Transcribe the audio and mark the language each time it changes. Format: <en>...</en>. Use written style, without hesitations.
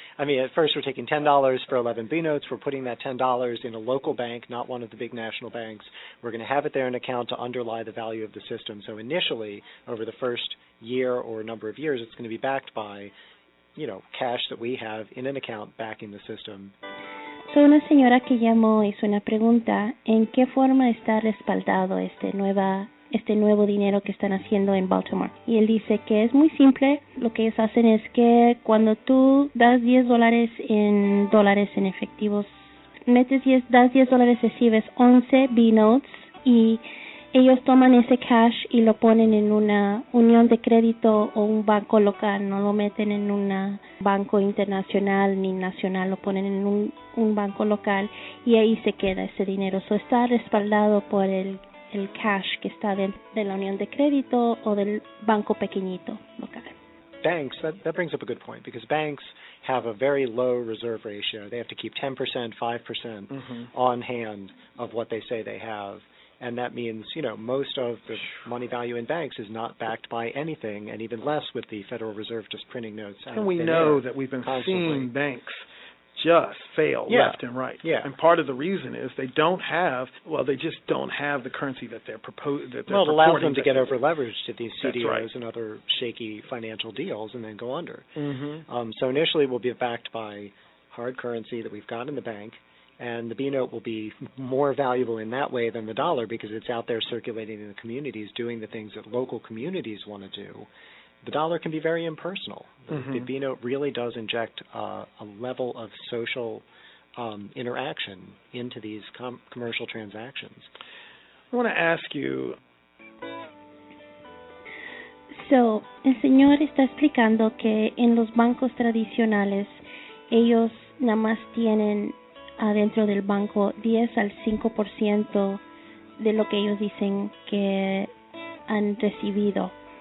<en>I mean, at first we're taking $10 for 11 B-notes. We're putting that $10 in a local bank, not one of the big national banks. We're going to have it there in account to underlie the value of the system. So initially, over the first year or number of years, it's going to be backed by, you know, cash that we have in an account backing the system.</en> <es>So una señora que llamó hizo una pregunta, ¿en qué forma está respaldado este nuevo dinero que están haciendo en Baltimore? Y él dice que es muy simple. Lo que ellos hacen es que cuando tú das $10 en dólares en efectivos, das $10, recibes 11 B-notes y ellos toman ese cash y lo ponen en una unión de crédito o un banco local. No lo meten en un banco internacional ni nacional, lo ponen en un banco local y ahí se queda ese dinero. So está respaldado por el cash que está de la unión de crédito o del banco pequeñito local.</es> <en>Banks, that brings up a good point, because banks have a very low reserve ratio. They have to keep 10%, 5% mm-hmm. on hand of what they say they have. And that means, you know, most of the money value in banks is not backed by anything, and even less with the Federal Reserve just printing notes. And we know that we've been seeing banks just fail left and right. Yeah. And part of the reason is they just don't have the currency that they're proposing. Well, it allows them to get over leveraged to these CDOs and other shaky financial deals and then go under. Mm-hmm. So initially we'll be backed by hard currency that we've got in the bank, and the B-note will be more valuable in that way than the dollar, because it's out there circulating in the communities doing the things that local communities want to do. The dollar can be very impersonal. Mm-hmm. The B-note really does inject a level of social interaction into these commercial transactions. I want to ask you.</en> <es>So, el señor está explicando que en los bancos tradicionales, ellos nada más tienen adentro del banco 10 al 5% de lo que ellos dicen que han recibido.</es>